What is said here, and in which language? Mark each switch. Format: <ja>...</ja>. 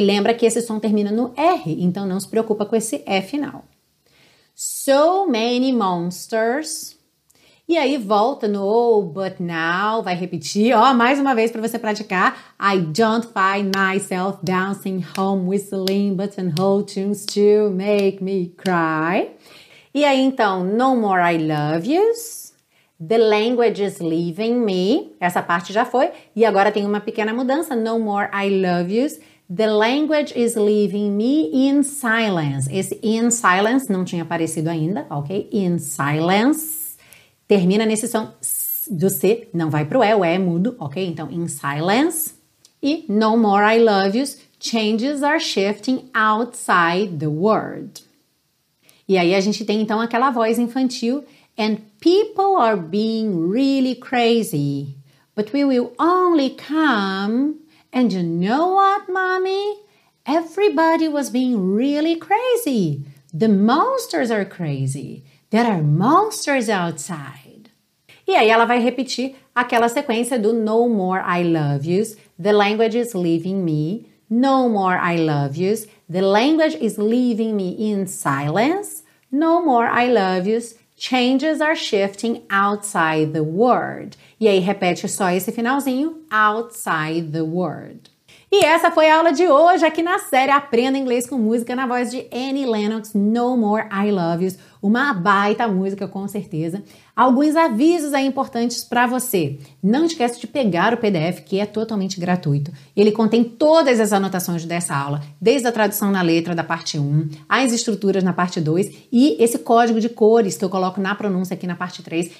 <pt>Lembra que esse som termina no R, então não se preocupa com esse F final.</pt> <en>So many monsters.</en> <pt>E aí volta no</pt> <en>but now,</en> <pt>vai repetir, ó, mais uma vez para você praticar.</pt> <en>I don't find myself dancing home whistling buttonhole tunes to make me cry.</en> <pt>E aí então,</pt> <en>no more I love yous. The language is leaving me.</en> <pt>Essa parte já foi. E agora tem uma pequena mudança.</pt> <en>No more I love yous. The language is leaving me in silence.</en> <pt>Esse in silence não tinha aparecido ainda, ok? In silence. Termina nesse som do C. Não vai pro E. O E é mudo, ok?</pt> <en>Então, in silence. E no more I love yous. Changes are shifting outside the word.</en> <pt>E aí a gente tem, então, aquela voz infantil.</pt> <en>And people are being really crazy, but we will only come. And you know what, mommy? Everybody was being really crazy. The monsters are crazy. There are monsters outside.</en> <pt>E aí ela vai repetir aquela sequência do</pt> <en>no more I love yous. The language is leaving me. No more I love yous. The language is leaving me in silence. No more I love yous. Changes are shifting outside the word.</en> <pt>E aí, repete só esse finalzinho,</pt> <en>outside the word.</en> <pt>E essa foi a aula de hoje aqui na série Aprenda Inglês com Música na voz de Annie Lennox, No More I Love Yous. Uma baita música, com certeza. Alguns avisos aí importantes para você. Não esquece de pegar o PDF, que é totalmente gratuito. Ele contém todas as anotações dessa aula, desde a tradução na letra da parte 1, as estruturas na parte 2 e esse código de cores que eu coloco na pronúncia aqui na parte 3.</pt>